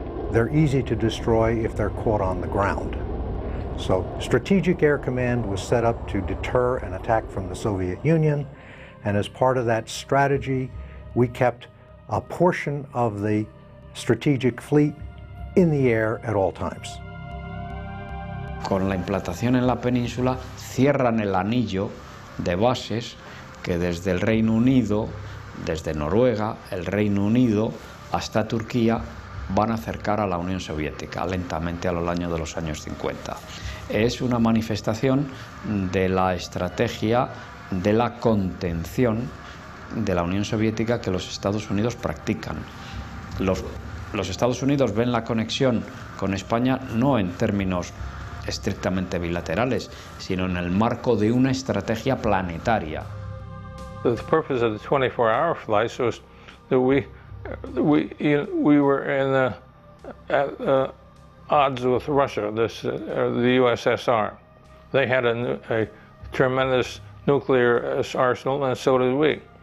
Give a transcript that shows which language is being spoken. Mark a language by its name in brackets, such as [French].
[English] They're easy to destroy if they're caught on the ground. So Strategic Air Command was set up to deter an attack from the Soviet Union. And as part of that strategy, we kept a portion of the strategic fleet in the air at all times. [Spanish] Con la implantación en la península, cierran el anillo de bases que desde el Reino Unido, desde Noruega, el Reino Unido, hasta Turquía, van a acercar a la Unión Soviética lentamente a lo largo de los años 50. Es una manifestación de la estrategia de la contención de la Unión Soviética que los Estados Unidos practican. Los Estados Unidos ven la conexión con España no en términos estrictamente bilaterales, sino en el marco de una estrategia planetaria. [English] The purpose of the 24-hour flights was that we were in odds with Russia, the USSR. They had a tremendous nuclear arsenal, and so did we.